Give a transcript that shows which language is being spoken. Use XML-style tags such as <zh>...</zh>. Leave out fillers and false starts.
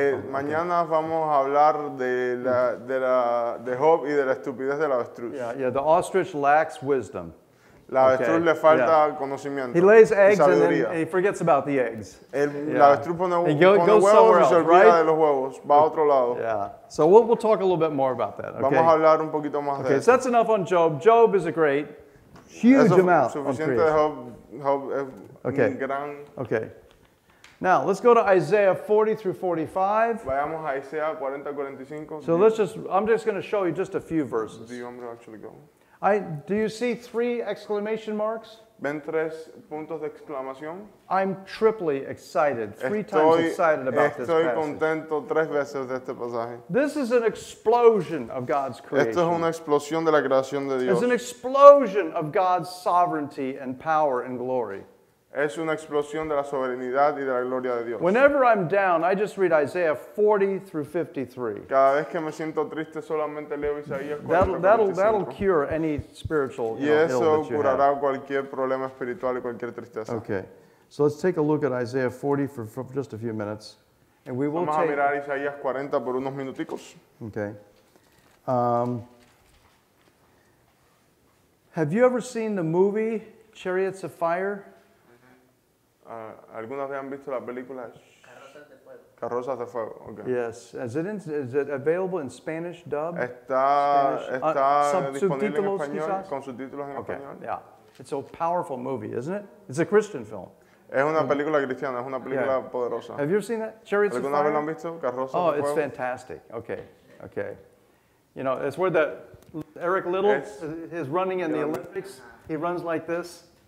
<es>Mañana vamos a hablar de Job y de la estupidez del avestruz.</es> <en>Yeah, the ostrich lacks wisdom.</en> <es>La avestruz le falta conocimiento.</es> <en>He lays eggs and then he forgets about the eggs.</en> <es>La avestruz pone huevos y se olvida de los huevos. Va a otro lado.</es> <en>Yeah. So we'll talk a little bit more about that. Okay?</en> <es>Vamos a hablar un poquito más de</es> <en>eso. Okay, so that's enough on Job. Job is a great, huge amount of</en> <es>suficiente de Job. Job es un gran.</es> <en>Okay. Now, let's go to Isaiah 40 through 45.</en> <es>Vayamos a Isaiah 40, 45.</es> <en>So let's just, I'm just going to show you just a few verses. Do you want me to actually go? Do you see three exclamation marks?</en> <es>¿Ven tres puntos de exclamación?</es> <en>I'm triply excited, three times excited about this passage.</en> <es>Estoy contento tres veces de este pasaje.</es> <en>This is an explosion of God's creation.</en> <es>Esto es una explosión de la creación de Dios.</es> <en>It's an explosion of God's sovereignty and power and glory.</en> <es>Es una explosión de la soberanía y de la gloria de Dios.</es> <en>Whenever I'm down, I just read Isaiah 40 through 53.</en> <es>Cada vez que me siento triste, solamente leo Isaías 40</es> <en>through 53. That'll cure any spiritual ill that you</en> <es>have. Y eso curará cualquier problema espiritual y cualquier tristeza.</es> <en>Okay. So let's take a look at Isaiah 40 for just a few minutes. And we will</en> <es>Vamos</es> <en>take...</en> <es>a mirar Isaías 40 por unos minuticos.</es> <en>Okay. Have you ever seen the movie Chariots of Fire?</en> <es>¿Alguna vez han visto la película? Carrozas de Fuego. Carrozas de Fuego, okay.</es> <en>Yes. Is it available in Spanish dub?</en> <es>Está disponible en español, con subtítulos en</es> <en>okay.</en> <es>español.</es> <en>Yeah. It's a powerful movie, isn't it? It's a Christian film.</en> <es>Es una película cristiana, es una película poderosa.</es> <en>Have you ever seen that? Chariots</en> <es>¿Alguna</es> <en>of Fire?</en> <es>Vez lo han visto? Carrozas oh, de Fuego.</es> <en>Oh, it's fantastic. Okay. Okay. You know, it's where the Eric Little is running in the Olympics. He runs like this.</en>